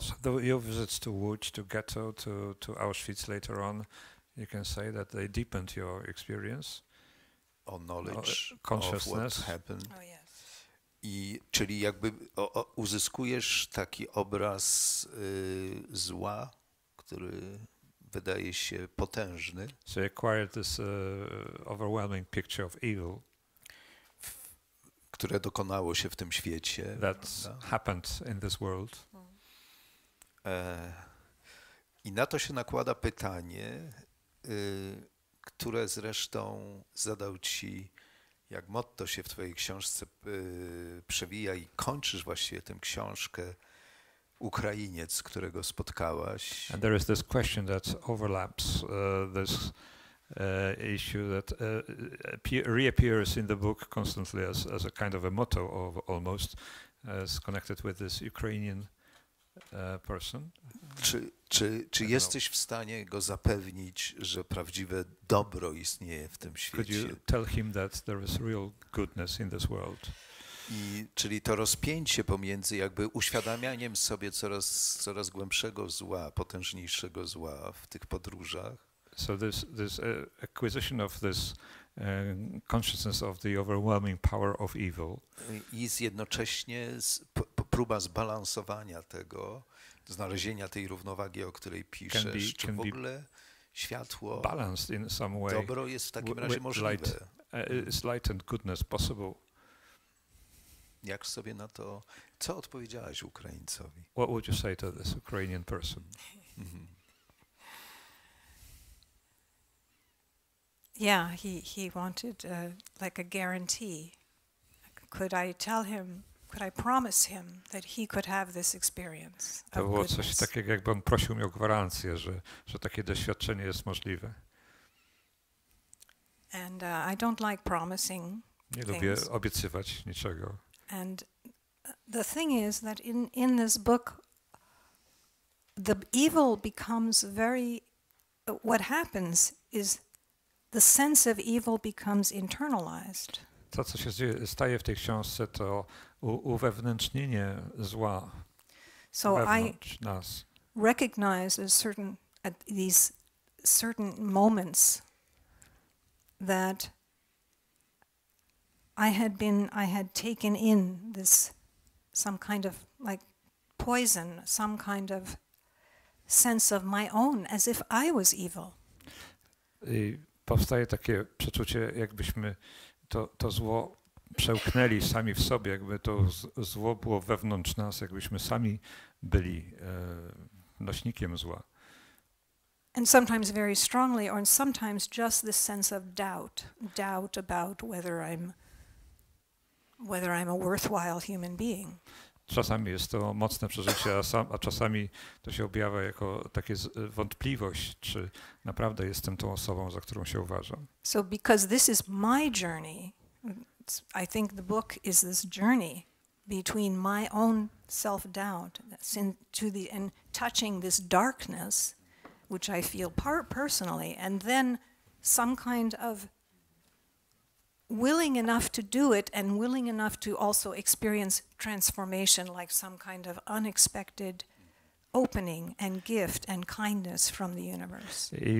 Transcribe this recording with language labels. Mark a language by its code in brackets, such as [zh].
[en] So your visits to Łódź, to ghetto, to Auschwitz later on, you can say that they deepened your experience. O knowledge, consciousness. Of what happened. Oh, yes. [pl] I, czyli jakby uzyskujesz taki obraz zła, który wydaje się potężny. [en] So you acquired this overwhelming picture of evil, [pl] które dokonało się w tym świecie. [en] That's happened in this world. [pl] I na to się nakłada pytanie, które zresztą zadał ci, jak motto się w twojej książce przewija i kończysz właściwie tę książkę, Ukrainiec, którego spotkałaś. [en] And there is this question that overlaps this issue that reappears in the book constantly as a kind of a motto of almost as connected with this Ukrainian person. [pl] Czy, Czy jesteś w stanie go zapewnić, że prawdziwe dobro istnieje w tym świecie? [en] Could you tell him that there is real goodness in this world? [pl] I czyli to rozpięcie pomiędzy jakby uświadamianiem sobie coraz głębszego zła, potężniejszego zła w tych podróżach. [en] So this acquisition of this consciousness of the overwhelming power of evil. [pl] I z jednocześnie próba zbalansowania tego, znalezienia tej równowagi, o której piszesz, czy w ogóle światło, [en] balanced in some way, [pl] dobro jest w takim razie możliwe. [en] Light, is light and goodness possible? [pl] Jak sobie na to, co odpowiedziałaś Ukraińcowi? [en] What would you say to this Ukrainian person? Yeah, he wanted like a guarantee. Could I tell him, could I promise him that he could have this experience? [pl] To było coś takiego, jakby on prosił mnie o gwarancję, że takie doświadczenie jest możliwe. [en] And I don't like promising. [pl] Nie lubię obiecywać niczego. [en] And the thing is that in this book the evil becomes very, what happens is the sense of evil becomes internalized. [pl] To, co się staje w tej książce, to uwewnętrznienie zła [en] so [pl] wewnątrz I nas. [en] Recognize a certain at these certain moments that I had taken in this some kind of like poison, some kind of sense of my own, as if I was evil. [pl] I powstaje takie przeczucie, jakbyśmy to zło przełknęli sami w sobie, jakby to zło było wewnątrz nas, jakbyśmy sami byli nośnikiem zła. [en] And sometimes very strongly, or sometimes just this sense of doubt about whether I'm a worthwhile human being. [pl] Czasami jest to mocne przeżycie, a czasami to się objawia jako takie wątpliwość, czy naprawdę jestem tą osobą, za którą się uważam. [en] So because this is my journey, I think the book is this journey between my own self-doubt and touching this darkness, which I feel personally, and then some kind of willing enough to do it and willing enough to also experience transformation, like some kind of unexpected opening and gift and kindness from the universe.